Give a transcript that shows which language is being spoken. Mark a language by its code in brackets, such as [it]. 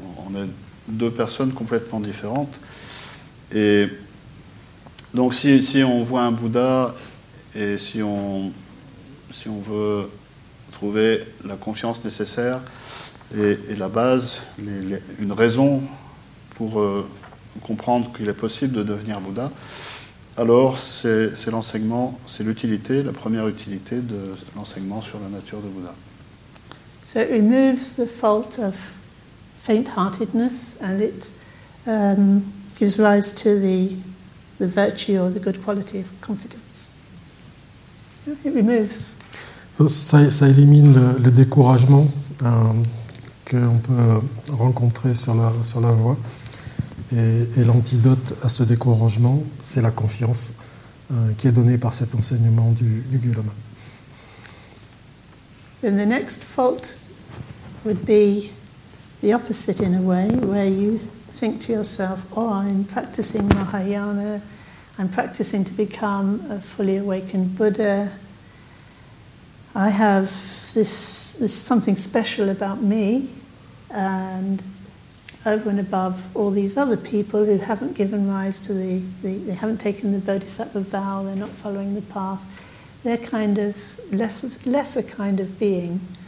[fr] On est deux personnes complètement différentes. Et donc si on voit un Bouddha et si on veut trouver la confiance nécessaire et la base, une raison pour comprendre qu'il est possible de devenir Bouddha, alors c'est l'enseignement, c'est l'utilité, la première utilité de l'enseignement sur la nature de Bouddha. [en] So it removes the fault of faint-heartedness and it gives rise to the virtue or the good quality of confidence. It removes. [fr] Ça élimine le découragement qu'on peut rencontrer sur la voie. Et l'antidote à ce découragement, c'est la confiance qui est donnée par cet enseignement du Gulama. [en] Then the next fault would be the opposite in a way, where you think to yourself, oh, I'm practicing Mahayana, I'm practicing to become a fully awakened Buddha. I have this something special about me, and over and above all these other people who haven't given rise to they haven't taken the Bodhisattva vow, they're not following the path, they're kind of lesser kind of being.